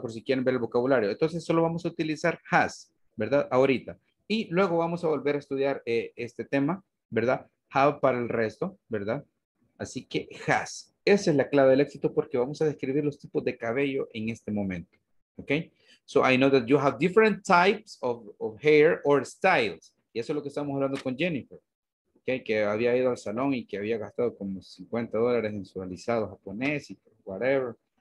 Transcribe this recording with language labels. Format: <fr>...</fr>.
<es>Por si quieren ver el vocabulario. Entonces, solo vamos a utilizar has, ¿verdad? Ahorita. Y luego vamos a volver a estudiar este tema, ¿verdad? Have para el resto, ¿verdad? Así que has. Esa es la clave del éxito porque vamos a describir los tipos de cabello en este momento. ¿Ok?</es> <en>So I know that you have different types of hair or styles.</en> <es>Y eso es lo que estamos hablando con Jennifer. Okay, que había ido al salón y que había gastado como $50 en su alisado japonés y whatever.</es>